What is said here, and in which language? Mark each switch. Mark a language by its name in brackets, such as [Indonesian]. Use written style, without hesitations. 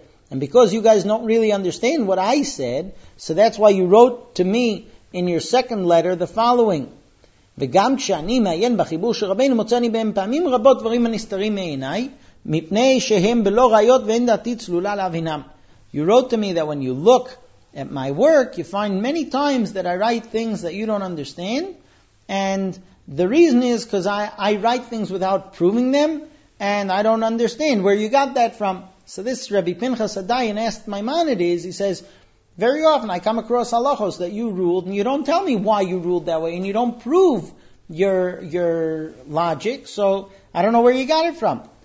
[English] And because you guys don't really understand what I said, so that's why you wrote to me in your second letter the following. [Hebrew] וגם כשאני מעיין בחיבור שרבינו מוצאני בהם פעמים רבות דברים הנסתרים מעיניי, מפני שהם בלא ראיות ואין דעתי צלולה להבינם. [English] You wrote to me that when you look at my work, you find many times that I write things that you don't understand, and the reason is because I write things without proving them, and I don't understand where you got that from. So this Rabbi Pinchas Adayin asked Maimonides, he says, very often I come across halachos that you ruled and you don't tell me why you ruled that way and you don't prove your logic, so I don't know where you got it from.